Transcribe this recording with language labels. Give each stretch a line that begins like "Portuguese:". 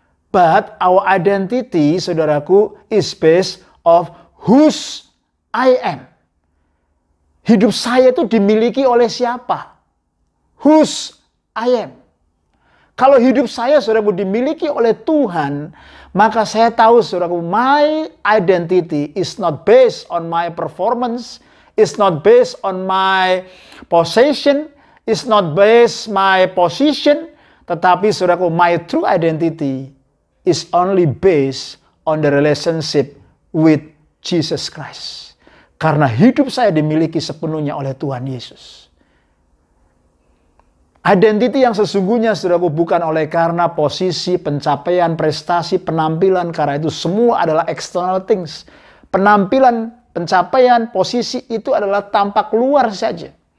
English: But our identity,
Indonesian: saudaraku,
English: is based of whose I am.
Indonesian: Hidup saya itu dimiliki oleh siapa?
English: Whose I am.
Indonesian: Kalau hidup saya, saudaraku, dimiliki oleh Tuhan, maka saya tahu, saudaraku,
English: my identity is not based on my performance, is not based on my possession, is not based my position,
Indonesian: tetapi saudaraku,
English: my true identity is only based on the relationship with Jesus Christ.
Indonesian: Karena hidup saya dimiliki sepenuhnya oleh Tuhan Yesus. Identity yang sesungguhnya saudaraku bukan oleh karena posisi, pencapaian, prestasi, penampilan, karena itu semua adalah
English: external things.
Indonesian: Penampilan, pencapaian, posisi itu adalah tampak luar saja.